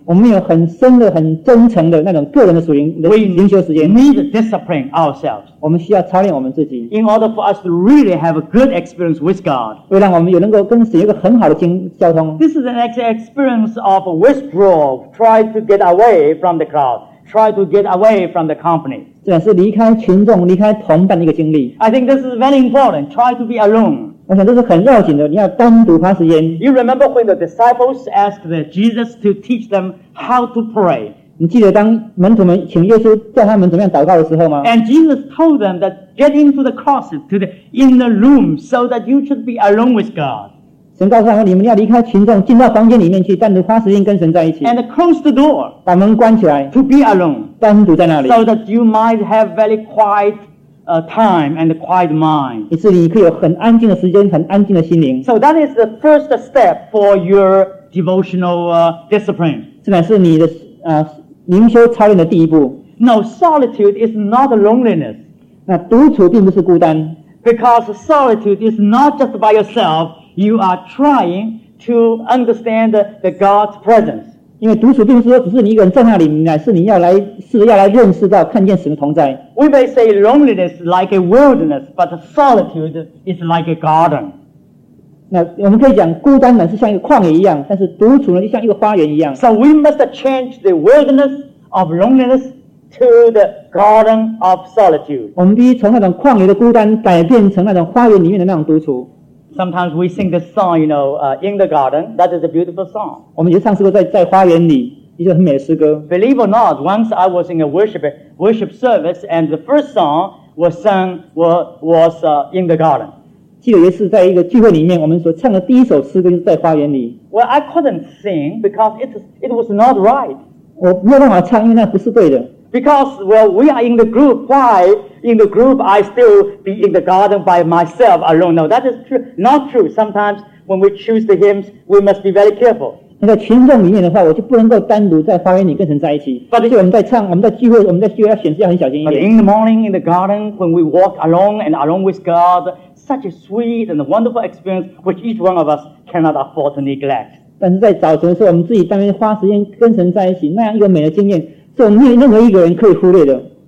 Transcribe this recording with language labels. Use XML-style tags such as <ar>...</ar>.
<zh>我们有很深的、很真诚的那种个人的灵修时间。</zh> <en>We need discipline ourselves.</en> <zh>我们需要操练我们自己。</zh> <en>In order for us to really have a good experience with God.</en> <zh>为让我们有能够跟神有一个很好的交通。</zh> <en>This is an experience of withdrawal, try to get away from the crowd, try to get away from the company.</en> <zh>这是离开群众、离开同伴的一个经历。</zh> <en>I think this is very important. Try to be alone.</en> <zh>我想这是很要紧的，你要单独花时间。</zh> <en>You remember when the disciples asked Jesus to teach them how to pray?</en> <zh>你记得当门徒们请耶稣教他们怎么样祷告的时候吗</zh> <en>？And Jesus told them that get into the closet, to the inner room, so that you should be alone with God.</en> <zh>神告诉他们，你们要离开群众，进到房间里面去，单独花时间跟神在一起。</zh> <en>And close the door.</en> <zh>把门关起来。</zh> <en>To be alone.</en> <zh>单独在那里。</zh> <en>So that you might have very quiet. Time and a quiet mind.</en> <zh>以至于你可以有很安静的时间，很安静的心灵。</zh> <en>So that is the first step for your devotional discipline.</en> <zh>这乃是你的灵修操练的第一步。</zh> <en>No, solitude is not loneliness. 那独处并不是孤单。 Because solitude is not just by yourself. You are trying to understand the God's presence.</en> <zh>因为独处并不是说只是你一个人在那里，乃是你要来试着要来认识到看见神的同在。</zh> <en>We may say loneliness like a wilderness, but solitude is like a garden.</en> <zh>那我们可以讲孤单乃是像一个旷野一样，但是独处呢就像一个花园一样。</zh> <en>So we must change the wilderness of loneliness to the garden of solitude.</en> <zh>我们必须从那种旷野的孤单改变成那种花园里面的那种独处。</zh> <en>Sometimes we sing this song, you know, in the garden. That is a beautiful song.</en> <zh>我们也唱诗歌在花园里，一首很美的诗歌。</zh> <en>Believe or not, once I was in a worship service, and the first song was sung was in the garden.</en> <zh>记得也是在一个聚会里面，我们所唱的第一首诗歌就是在花园里。</zh> <en>Well, I couldn't sing because it was not right.</en> <zh>我没有办法唱，因为那不是对的。</zh> <en>Because, well, we are in the group. Why in the group I still be in the garden by myself alone? No, that is not true. Sometimes when we choose the hymns, we must be very careful.</en> <zh>那个群众里面的话，我就不能够单独在花园里跟神在一起。</zh> <en>But</en> <zh>而且我们在唱，我们在聚会，我们在聚会要显示要很小心一点。</zh> <en>But in the morning in the garden, when we walk alone and alone with God, such a sweet and wonderful experience which each one of us cannot afford to neglect.</en> <zh>但是在早晨的时候，我们自己当面花时间跟神在一起，那样一个美的经验，是我们没有任何一个人可以忽略的。</zh>